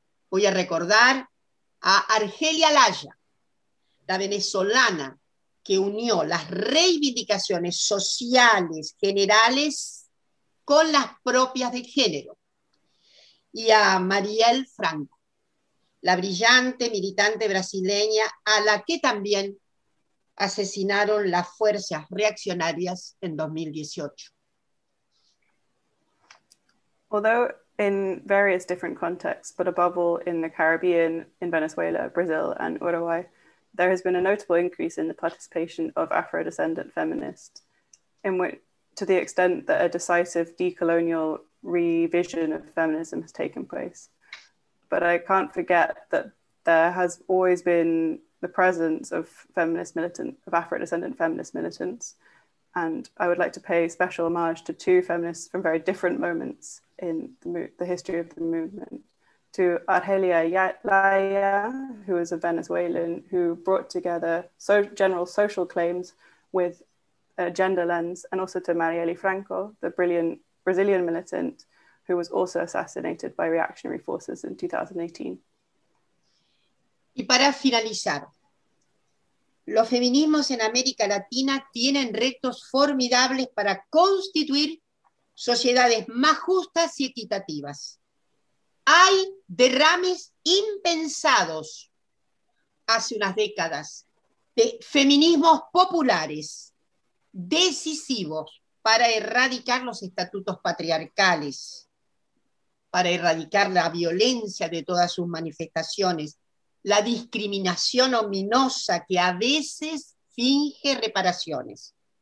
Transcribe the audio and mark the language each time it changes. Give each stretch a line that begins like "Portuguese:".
Spanish: Voy a recordar a Argelia Laya, la venezolana que unió las reivindicaciones sociales generales con las propias de género, y a Mariel Franco, la brillante militante brasileña a la que también asesinaron las fuerzas reaccionarias en 2018.
English: Although in various different contexts, but above all in the Caribbean, in Venezuela, Brazil, and Uruguay, there has been a notable increase in the participation of Afro-descendant feminists, in which, to the extent that a decisive decolonial revision of feminism has taken place. But I can't forget that there has always been the presence of feminist militant, of Afro-descendant feminist militants. And I would like to pay special homage to two feminists from very different moments in the history of the movement. To Argelia Laya, who is a Venezuelan, who brought together general social claims with a gender lens, and also to Marielle Franco, the brilliant Brazilian militant, who was also assassinated by reactionary forces in 2018.
Spanish: Y para finalizar, los feminismos en América Latina tienen retos formidables para constituir sociedades más justas y equitativas. Hay derrames impensados hace unas décadas de feminismos populares decisivos para erradicar los estatutos patriarcales, para erradicar la violencia de todas sus manifestaciones, la discriminación ominosa que a veces finge reparaciones.